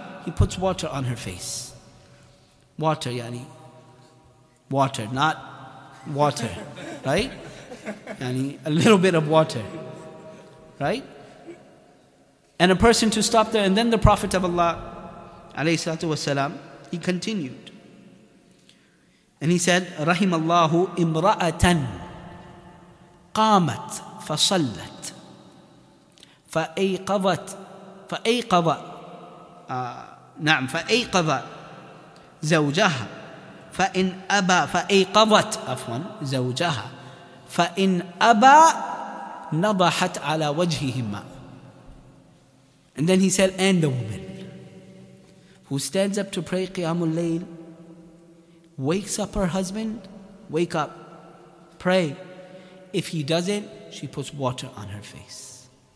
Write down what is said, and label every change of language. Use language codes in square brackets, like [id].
[en] He puts water on her face. Water, yani. Water, not water. Right? Yani, a little bit of water. Right? And a person to stop there. And then the Prophet of Allah, alayhi salatu wasalam, he continued. And he said, [ar] رحم الله امرأة قامت فصلت فأيقظت فأيقظ نعم فأيقظ زوجها فإن أبى فأيقظت عفوا زوجها فإن أبى نضحت على وجههما. [en] And then he said, and the woman who stands up to pray [ar] قيام الليل [en] wakes up her husband, wake up, pray. If he doesn't, she puts water on her face.